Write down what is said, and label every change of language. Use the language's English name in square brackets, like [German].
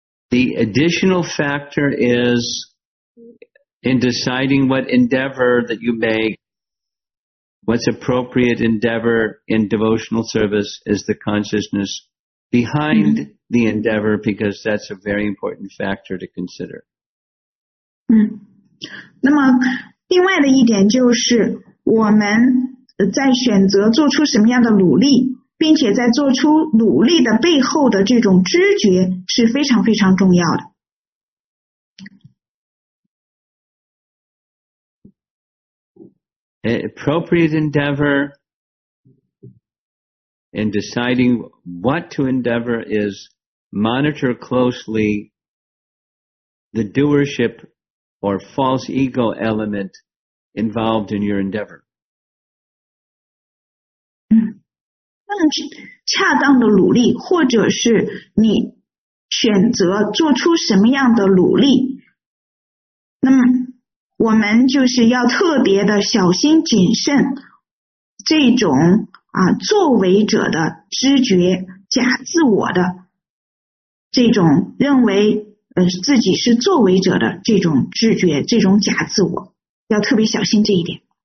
[English] The additional factor is in deciding what endeavor that you make, what's appropriate endeavor in devotional service is the consciousness behind the endeavor, because that's a very important factor to consider. [Chinese] 嗯，那么另外的一点就是我们在选择做出什么样的努力。并且在做出努力的背后的这种知觉是非常非常重要的。 [English] Appropriate endeavor in deciding what to endeavor is monitor closely the doership or false ego element involved in your endeavor. [Chinese] 恰当的努力，或者是你选择做出什么样的努力，那么我们就是要特别的小心谨慎这种啊作为者的知觉，假自我的这种认为自己是作为者的这种知觉，这种假自我要特别小心这一点。